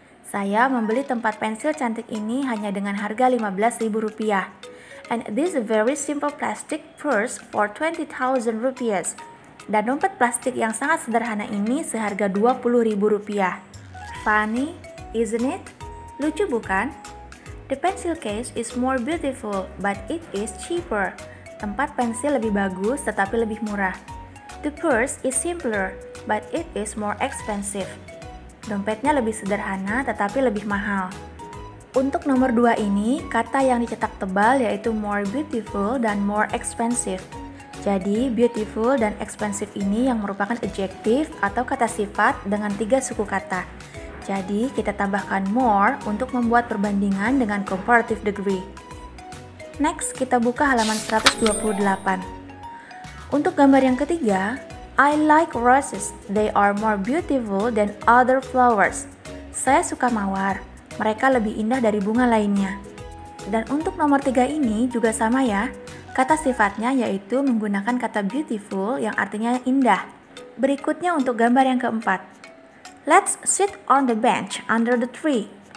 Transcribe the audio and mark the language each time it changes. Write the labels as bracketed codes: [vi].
[id] Saya membeli tempat pensil cantik ini hanya dengan harga 15.000 rupiah. [en] And this very simple plastic purse for 20,000 rupiah. [id] Dan dompet plastik yang sangat sederhana ini seharga 20.000 rupiah. [en] Funny, isn't it? [id] Lucu bukan? [en] The pencil case is more beautiful, but it is cheaper. [id] Tempat pensil lebih bagus, tetapi lebih murah. [en] The purse is simpler, but it is more expensive. [id] Dompetnya lebih sederhana, tetapi lebih mahal. Untuk nomor 2 ini, kata yang dicetak tebal yaitu more beautiful dan more expensive. Jadi, beautiful dan expensive ini yang merupakan adjective atau kata sifat dengan 3 suku kata. Jadi, kita tambahkan more untuk membuat perbandingan dengan comparative degree. Next, kita buka halaman 128. Untuk gambar yang ketiga, [en] I like roses. They are more beautiful than other flowers. [id] Saya suka mawar. Mereka lebih indah dari bunga lainnya. Dan untuk nomor 3 ini juga sama ya. Kata sifatnya yaitu menggunakan kata beautiful yang artinya indah. Berikutnya untuk gambar yang keempat. [en] Let's sit on the bench under the tree.